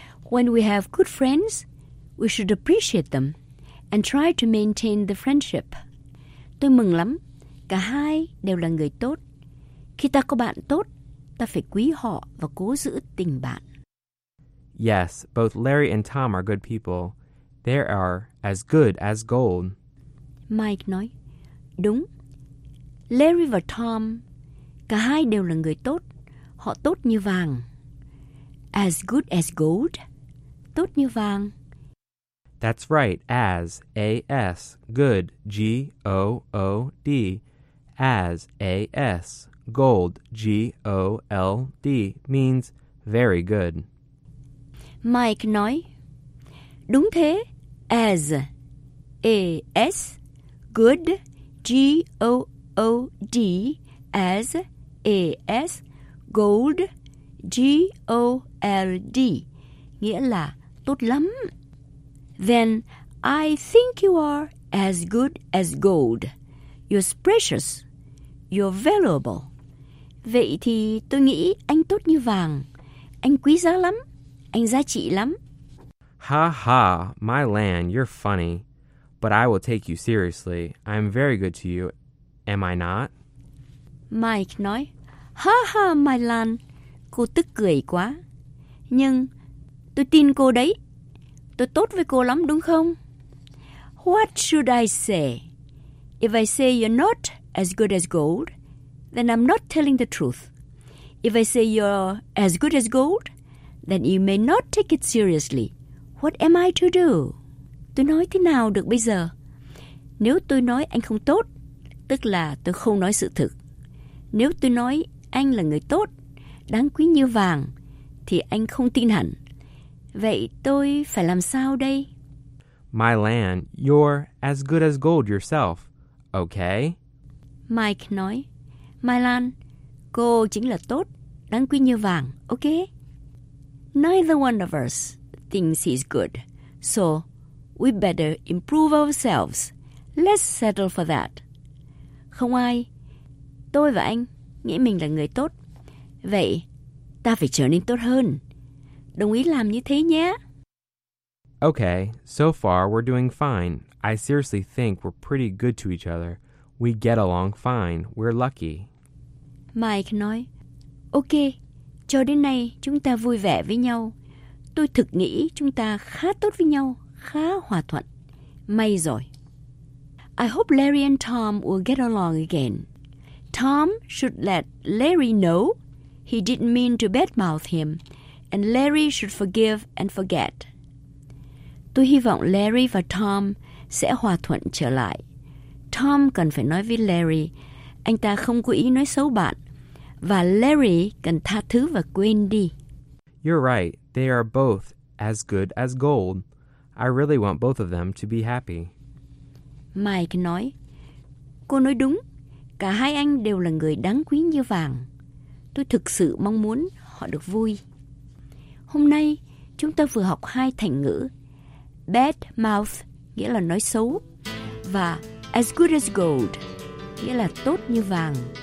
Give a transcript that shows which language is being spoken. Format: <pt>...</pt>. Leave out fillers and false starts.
<en>When we have good friends, we should appreciate them and try to maintain the friendship.</en> <vi>Tôi mừng lắm. Cả hai đều là người tốt. Khi ta có bạn tốt, ta phải quý họ và cố giữ tình bạn.</vi> <en>Yes, both Larry and Tom are good people. They are as good as gold.</en> <vi>Mike nói, đúng. Larry và Tom, cả hai đều là người tốt. Họ tốt như vàng.</vi> <en>As good as gold.</en> <vi>Tốt như vàng.</vi> <en>That's right. As, A-S, good, G-O-O-D. As, A-S, gold, G-O-L-D, means very good.</en> <vi>Mike nói, đúng thế.</vi> <en>As, A-S, good, G-O-O-D. As, A-S, gold, G-O-L-D.</en> <vi>Nghĩa là tốt lắm.</vi> <en>Then I think you are as good as gold. You're precious. You're valuable.</en> <vi>Vậy thì tôi nghĩ anh tốt như vàng. Anh quý giá lắm. Anh giá trị lắm.</vi> <en>Ha ha, my land, you're funny. But I will take you seriously. I'm very good to you, am I not?</en> <vi>Mike nói, ha ha, my land. Cô tức cười quá. Nhưng tôi tin cô đấy. Tôi tốt với cô lắm, đúng không?</vi> <en>What should I say? If I say you're not as good as gold, then I'm not telling the truth. If I say you're as good as gold, then you may not take it seriously. What am I to do?</en> <vi>Tôi nói thế nào được bây giờ? Nếu tôi nói anh không tốt, tức là tôi không nói sự thực. Nếu tôi nói anh là người tốt, đáng quý như vàng, thì anh không tin hẳn. Vậy tôi phải làm sao đây?</vi> <en>My land, you're as good as gold yourself, okay?</en> <vi>Mike nói, my land, cô chính là tốt, đáng quý như vàng, okay?</vi> <en>Neither one of us thinks he's good, so we better improve ourselves. Let's settle for that.</en> <vi>Không ai, tôi và anh nghĩ mình là người tốt. Vậy ta phải trở nên tốt hơn. Đồng ý làm như thế nhé.</vi> <en>Okay, so far we're doing fine. I seriously think we're pretty good to each other. We get along fine. We're lucky.</en> <vi>Mike nói, okay, cho đến nay chúng ta vui vẻ với nhau. Tôi thực nghĩ chúng ta khá tốt với nhau, khá hòa thuận. May rồi.</vi> <en>I hope Larry and Tom will get along again. Tom should let Larry know he didn't mean to badmouth him. And Larry should forgive and forget.</en> <vi>Tôi hy vọng Larry và Tom sẽ hòa thuận trở lại. Tom cần phải nói với Larry, anh ta không cố ý nói xấu bạn. Và Larry cần tha thứ và quên đi.</vi> <en>You're right. They are both as good as gold. I really want both of them to be happy.</en> <vi>Mike nói, cô nói đúng. Cả hai anh đều là người đáng quý như vàng. Tôi thực sự mong muốn họ được vui. Hôm nay, chúng ta vừa học hai thành ngữ. Bad mouth, nghĩa là nói xấu. Và</vi> <en>as good as gold,</en> <vi>nghĩa là tốt như vàng.</vi>